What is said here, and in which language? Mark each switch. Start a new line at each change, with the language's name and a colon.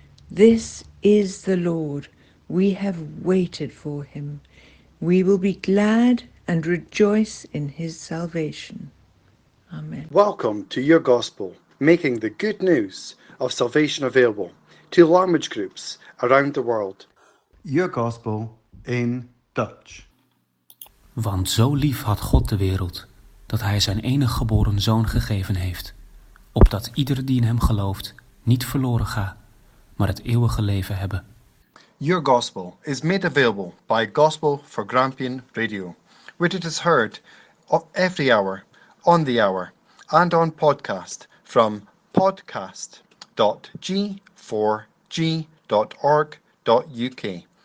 English: This is the Lord. We have waited for him. We will be glad and rejoice in his salvation. Amen. Welcome to Your Gospel, making the good news of salvation available to language groups around the world. Your Gospel in Dutch.
Dutch: Want zo lief had God de wereld, dat hij zijn enige geboren zoon gegeven heeft, opdat ieder die in hem gelooft niet verloren ga, maar het eeuwige leven hebben.
English: Your Gospel is made available by Gospel4Grampian Radio, where it is heard every hour, on the hour, and on podcast from podcast.g4g.org.uk.